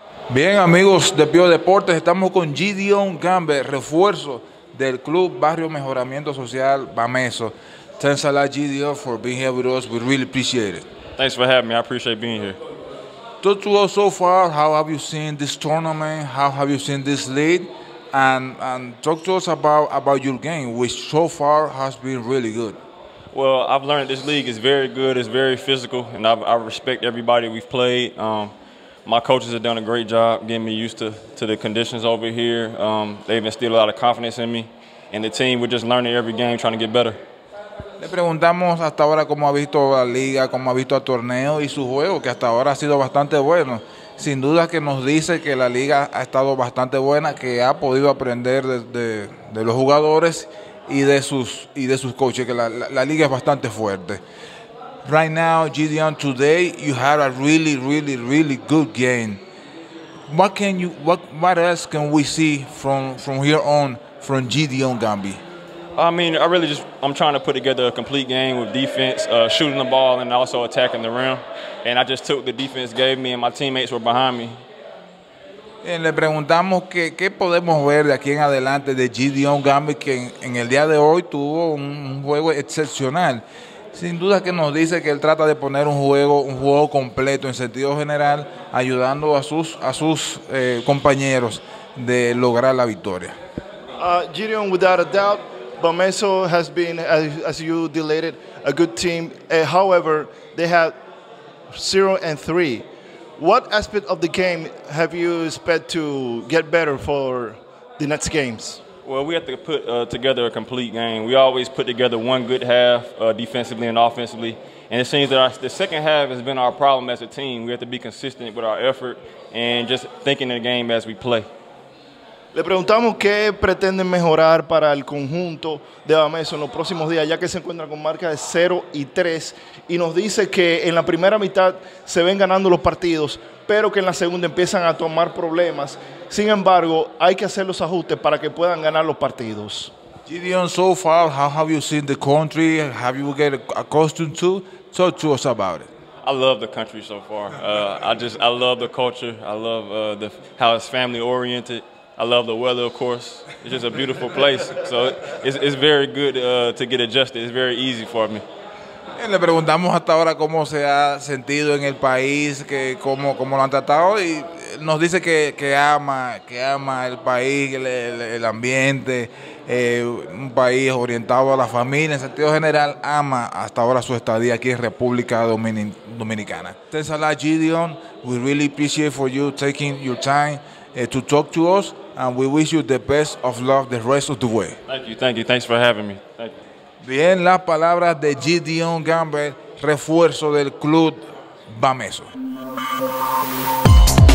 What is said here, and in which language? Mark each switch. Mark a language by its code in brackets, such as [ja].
[es] Bien, amigos de Pío Deportes, estamos con Gideon Gamber, refuerzo del Club Barrio Mejoramiento Social Bameso. [en] Thanks a lot, Gideon, for being here with us. We really appreciate it. Thanks for having me. I appreciate being here. Talk to us so far. How have you seen this tournament? How have you seen this league? And talk to us about your game, which so far has been really good. Well, I've learned this league is very good. It's very physical, and I respect everybody we've played. My coaches have done a great job getting me used to the conditions over here. They've instilled a lot of confidence in me. And the team, we're just learning every game, trying to get better. [es] Le preguntamos hasta ahora cómo ha visto la liga, cómo ha visto el torneo y su juego, que hasta ahora ha sido bastante bueno. Sin duda que nos dice que la liga ha estado bastante buena, que ha podido aprender de los jugadores y de sus coaches, que la liga es bastante fuerte. [en] Right now, Gideon, today you had a really, really, really good game. What else can we see from here on from Gideon Gamby? I mean, I'm trying to put together a complete game with defense, shooting the ball, and also attacking the rim. And I just took the defense gave me, and my teammates were behind me. [es] Y le preguntamos qué podemos ver de aquí en adelante de Gideon Gamby, que en el día de hoy tuvo un juego excepcional. Sin duda que nos dice que él trata de poner un juego completo en sentido general, ayudando a sus compañeros de lograr la victoria. [en] Gideon, without a doubt, Bameso has been, as you delayed, a good team. However, they have 0-3. What aspect of the game have you expect to get better for the next games? Well, we have to put together a complete game. We always put together one good half defensively and offensively. And it seems that the second half has been our problem as a team. We have to be consistent with our effort and just thinking of the game as we play. [es] Le preguntamos qué pretenden mejorar para el conjunto de Bameso en los próximos días, ya que se encuentra con marca de 0-3. Y nos dice que en la primera mitad se ven ganando los partidos, pero que en la segunda empiezan a tomar problemas. Sin embargo, hay que hacer los ajustes para que puedan ganar los partidos. [en] Gideon, so far, how have you seen the country? Have you get accustomed to? Talk to us about it. I love the country so far. I love the culture. I love how it's family oriented. I love the weather, of course. It's just a beautiful place. So it's very good to get adjusted. It's very easy for me. [es] Le preguntamos hasta ahora cómo se ha sentido en el país, que cómo lo han tratado, y nos dice que ama el país, el ambiente, un país orientado a la familia. En sentido general, ama hasta ahora su estadía aquí en República Dominicana. [en] Thanks a lot, Gideon. We really appreciate for you taking your time to talk to us, and we wish you the best of luck the rest of the way. Thank you. Thanks for having me. Thank you. [es] Bien, las palabras de Gideon Gamber, refuerzo del Club Bameso.